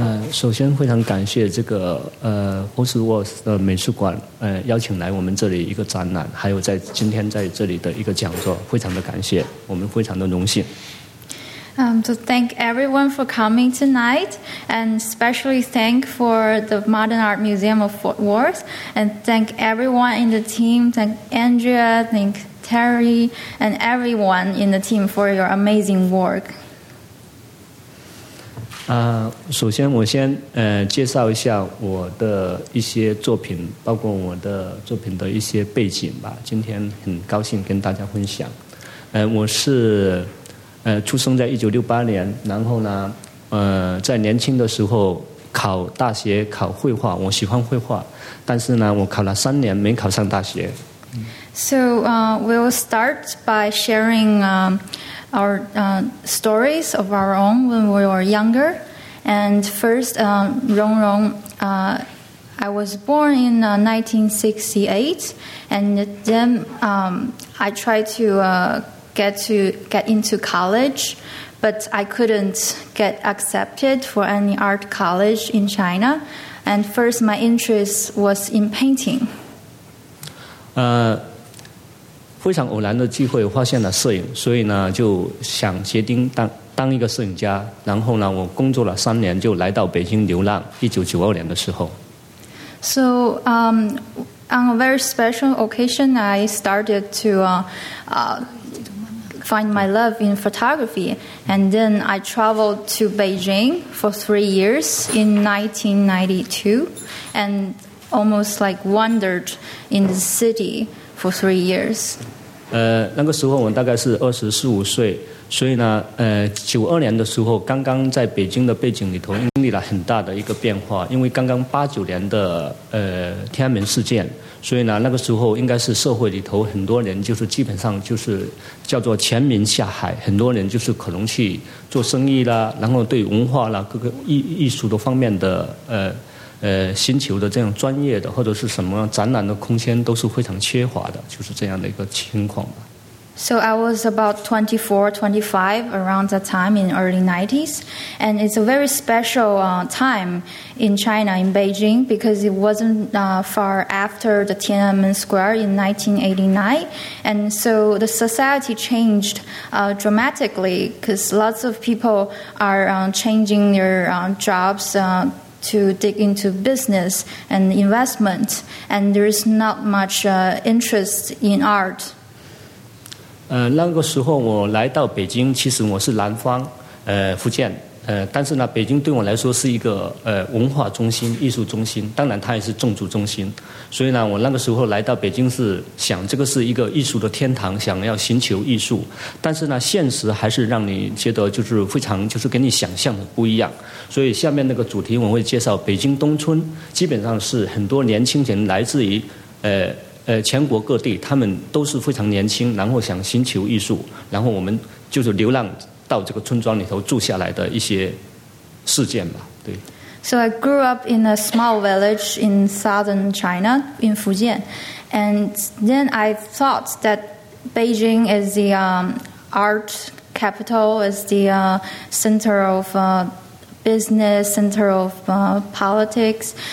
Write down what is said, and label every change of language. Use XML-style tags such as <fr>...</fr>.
<zh>首先非常感谢这个Post Wars 的美术馆邀请来我们这里一个展览，还有在今天在这里的一个讲座，非常的感谢，我们非常的荣幸。</zh> <en>To thank everyone for coming tonight, and especially thank for the Modern Art Museum of Fort Worth, and thank everyone in the team, thank Andrea, thank Terry, and everyone in the team for your amazing work.</en> <zh>首先我先介绍一下我的一些作品，包括我的作品的一些背景吧。今天很高兴跟大家分享。我是出生在1968年，然后呢在年轻的时候考大学考绘画，我喜欢绘画，但是呢我考了3年没考上大学。</zh> <en>So, we'll start by sharing, our stories of our own when we were younger. And first, Rong Rong, I was born in 1968, and then I tried to get into college, but I couldn't get accepted for any art college in China. And first, my interest was in painting.</en> <zh>非常偶然的机会发现了摄影，所以呢就想决定当一个摄影家，然后呢我工作了3年就来到北京流浪，1992年的时候。</zh> <en>So on a very special occasion I started to find my love in photography, and then I traveled to Beijing for 3 years in 1992 and almost like wandered in the cityFor 3 years.</en> <zh>那个时候我大概是24、25岁，所以呢，92年的时候，刚刚在北京的背景里头经历了很大的一个变化，因为刚刚89年的天安门事件，所以呢，那个时候应该是社会里头很多人就是基本上就是叫做全民下海，很多人就是可能去做生意啦，然后对文化啦各个艺术的方面的寻求的这样专业的或者是什么展览的空间都是非常缺乏的，就是这样的一个情况吧。</zh> <en>So I was about 24, 25 around that time in early 90s. And it's a very special time in China, in Beijing, because it wasn't far after the Tiananmen Square in 1989. And so the society changed dramatically because lots of people are changing their jobs, to dig into business and investment, and there is not much interest in art.</en> <zh>那个时候我来到北京，其实我是南方，福建，但是呢，北京对我来说是一个文化中心、艺术中心，当然它也是政治中心。所以呢，我那个时候来到北京是想这个是一个艺术的天堂，想要寻求艺术。但是呢，现实还是让你觉得就是非常就是跟你想象的不一样。所以下面那个主题我会介绍北京东村，基本上是很多年轻人来自于全国各地，他们都是非常年轻，然后想寻求艺术，然后我们就是流浪到这个村庄里头住下来的一些事件吧，对。</zh> <en>So I grew up in a small village in southern China, in Fujian. And then I thought that Beijing is the art capital, is the center of business, center of politics.</en>